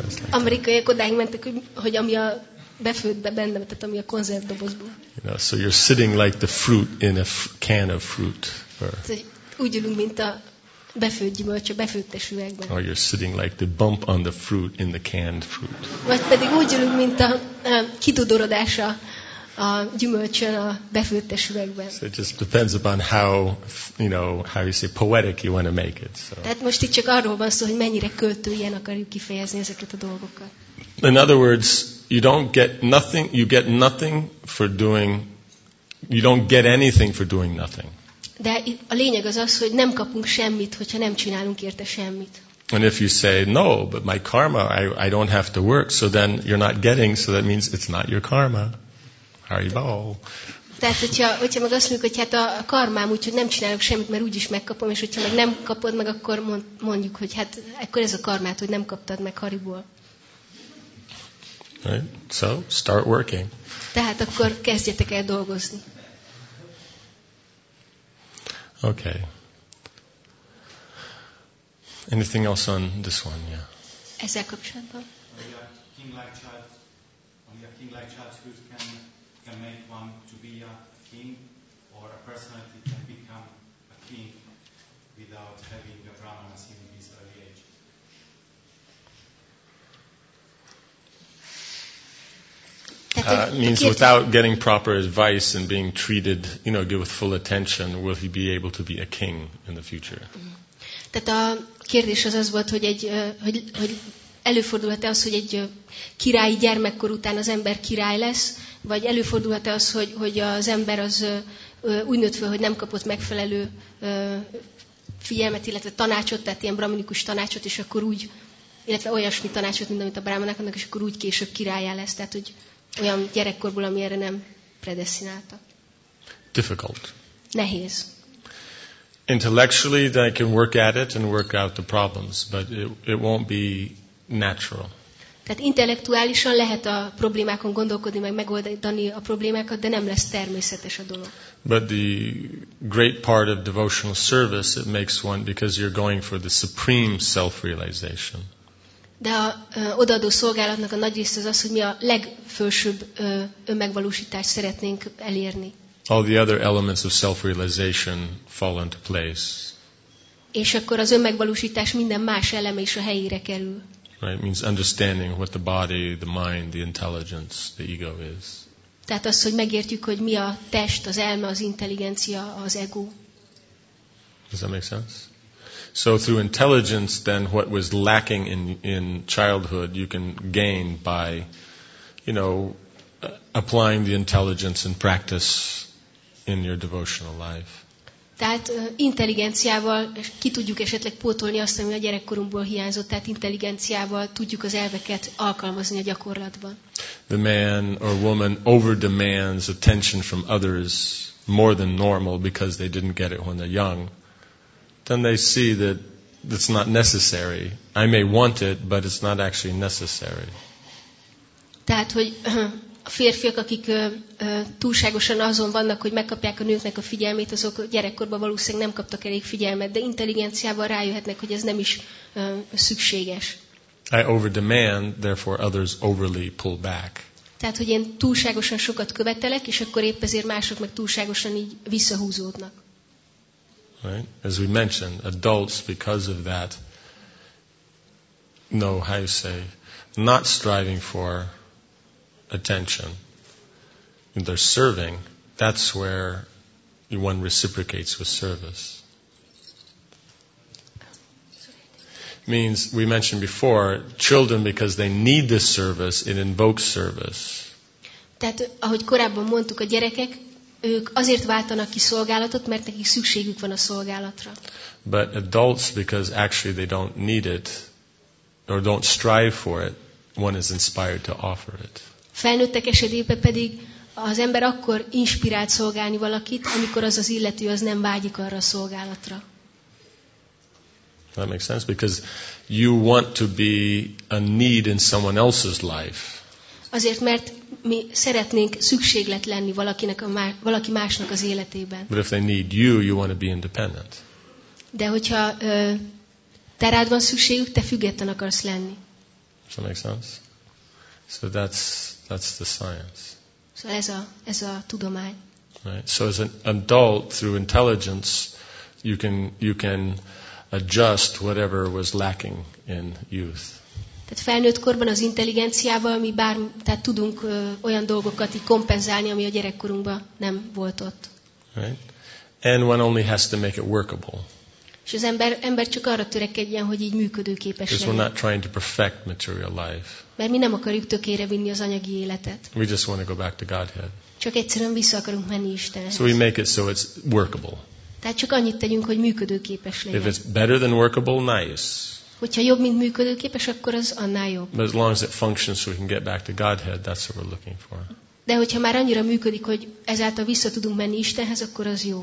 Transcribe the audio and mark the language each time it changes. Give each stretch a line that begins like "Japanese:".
Hungarian: Like Amerikaiak odáig mentek, hogy ami a befőttbe benne, tehát ami a konzervdobozban.
English: You know, so you're sitting like the fruit in a can of fruit.
Hungarian: Úgy ülünk, mint a befőtt gyümölcs a befőttes üvegben.
English: Or you're sitting like the bump on the fruit in the canned fruit.
Hungarian: Vagy pedig úgy ülünk, mint a kidudorodás a gyümölcsön a befőttes üvegben.
English: So it just depends upon how, you know, how you say poetic you want to make it. So.
Hungarian: Tehát most itt csak arról van szó, hogy mennyire költőien akarjuk kifejezni ezeket a dolgokat.
English: In other words, you don't get nothing. You get nothing for doing. You don't get anything for doing nothing.
Hungarian: De a lényeg az az, hogy nem kapunk semmit, hogyha nem csinálunk érte semmit.
English: And if you say no, but my karma, I don't have to work, so then you're not getting, so that means it's not your karma. Haribo.
Hungarian: Tehát hogyha meg azt mondjuk, hogy hát a karmám, úgyhogy nem csinálok semmit, mert úgyis megkapom, és hogyha meg nem kapod meg, akkor mondjuk, hogy hát akkor ez a karmát, hogy nem kaptad meg haribo.
English: Right? So start working.
Hungarian: Tehát akkor kezdjetek el dolgozni.
English: Okay. Anything else on this one? Yeah.
Hungarian: Ezzel kapcsolatban?
English: Only a king-like child, only a king-like childhood can make one to be a king, or a personality can become a king without having a brahmana in his early age. Means without getting proper advice and being treated, you know, with full attention, will he be able to be a king in the future?
Hungarian: Tehát a kérdés az volt, hogy egy, hogy előfordulhat-e az, hogy egy királyi gyermekkor után az ember király lesz, vagy előfordulhat-e az, hogy az ember az úgy nőtt fel, hogy nem kapott megfelelő figyelmet, illetve tanácsot, tehát ilyen brahminikus tanácsot, és akkor úgy, illetve olyasmi tanácsot, mint amit a brahmanák adnak, és akkor úgy később királyá lesz, tehát hogy olyan gyerekkorból, ami erre nem predesztinálta.
English: Difficult.
Hungarian: Nehéz.
English: Intellectually, then I can work at it and work out the problems, but it won't be natural.
Hungarian: Tehát intellektuálisan lehet a problémákon gondolkodni, meg megoldani a problémákat, de nem lesz természetes a dolog.
English: But the great part of devotional service, it makes one, because you're going for the supreme self-realization.
Hungarian: De a odaadó szolgálatnak a nagy része az, hogy mi a legfelsőbb önmegvalósítást szeretnénk elérni.
English: All the other elements of self-realization fall into place.
Hungarian: És akkor az önmegvalósítás minden más eleme is a helyére kerül.
English: Right, means understanding what the body, the mind, the intelligence, the ego is.
Hungarian: Tehát az, hogy megértjük, hogy mi a test, az elme, az intelligencia, az ego.
English: Does that make sense? So through intelligence, then what was lacking in childhood, you can gain by, you know, applying the intelligence and practice in your devotional life.
Hungarian: Tehát intelligenciával ki tudjuk esetleg pótolni azt, ami a gyerekkorunkból hiányzott, tehát intelligenciával tudjuk az elveket alkalmazni a gyakorlatban.
English: The man or woman overdemands attention from others more than normal because they didn't get it when they're young. Then they see that it's not necessary. I may want it, but it's not actually necessary.
Hungarian: Tehát, hogy a férfiak, akik túlságosan azon vannak, hogy megkapják a nőknek a figyelmét, azok gyerekkorban valószínűleg nem kaptak elég figyelmet, de intelligenciával rájöhetnek, hogy ez nem is szükséges.
English: I overdemand, therefore others overly pull back.
Hungarian: Tehát, hogy én túlságosan sokat követelek, és akkor épp ezért mások meg túlságosan így visszahúzódnak.
English: Right? As we mentioned, adults, because of that, know how you say, not striving for attention. And they're serving. That's where one reciprocates with service. Means, we mentioned before, children, because they need this service, it invokes service.
Hungarian: Tehát, ahogy korábban mondtuk, a gyerekek, ők azért váltanak ki szolgálatot, mert nekik szükségük van a szolgálatra.
English: But adults, because actually they don't need it, or don't strive for it, one is inspired to offer it.
Hungarian: Felnőttek esetében pedig az ember akkor inspirált szolgálni valakit, amikor az az illető az nem vágyik arra a szolgálatra.
English: That makes sense because you want to be a need in someone else's life.
Hungarian: Azért, mert mi szeretnénk szükséglet lenni valakinek a valaki másnak az életében.
English: But if they need you, you want to be independent.
Hungarian: De hogyha te rád van szükségük, te független akarsz lenni.
English: Does that make sense? So that's the science.
Hungarian: So ez a tudomány.
English: Right. So as an adult through intelligence, you can adjust whatever was lacking in youth.
Hungarian: Tehát felnőtt korban az intelligenciával mi tehát tudunk olyan dolgokat így kompenzálni, ami a gyerekkorunkban nem volt ott.
English: Right. And one only has to make it workable.
Hungarian: És az ember csak arra törekedjen, hogy így működőképes legyen.
English: We're not trying to perfect material life.
Hungarian: Mert mi nem akarjuk tökére vinni az anyagi életet.
English: We just want to go back to Godhead.
Hungarian: Csak egyszerűen vissza akarunk menni Istenhez.
English: So we make it so it's workable.
Hungarian: Tehát csak annyit tegyünk, hogy működőképes legyen.
English: If it's better than workable, nice.
Hungarian: Hogyha jobb, mint működőképes, akkor az annál jobb.
English: But as long as it functions so we can get back to Godhead, that's what we're looking for.
Hungarian: De hogyha már annyira működik, hogy ezáltal vissza tudunk menni Istenhez, akkor az jó.